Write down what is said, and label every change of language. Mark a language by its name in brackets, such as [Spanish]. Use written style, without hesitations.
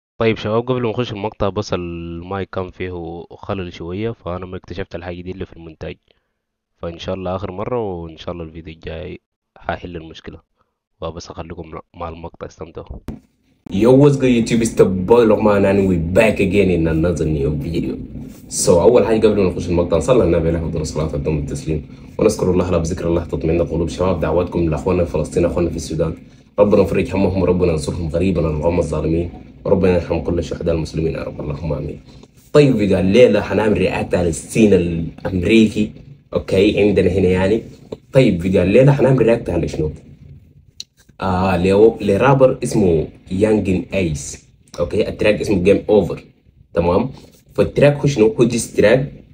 [Arabic] طيب شباب، قبل ما اخش المقطع بصل المايك كان فيه خلل شوية، فانا ما اكتشفت الحاجة دي اللي في المونتاج، فان شاء الله اخر مرة، وان شاء الله الفيديو الجاي هحل المشكلة. وبس اخليكم مع المقطع، استمتعوا. [English] Yo, what's good YouTube? It's the boy Lokman and we're back again in another new video. [Arabic] So, أول حاجة قبل ما نخش المقطع نصلي النبي عليه الصلاة والسلام التسليم ونذكر الله لا بذكر الله تطمئن قلوب شباب دعواتكم لأخواننا في فلسطين أخواننا في السودان ربنا يفرج همهم ربنا ينصرهم غريبا على القوم الظالمين ربنا يرحم كل الشهداء المسلمين يا رب اللهم آمين. طيب فيديو الليلة هنعمل رياكت على السين الأمريكي أوكي عندنا هنا يعني طيب فيديو الليلة هنعمل رياكت على شنو؟ لرابر اسمه يانجن ايس اوكي التراك اسمه جيم اوفر تمام فالتراك هو شنو هو ديس تراك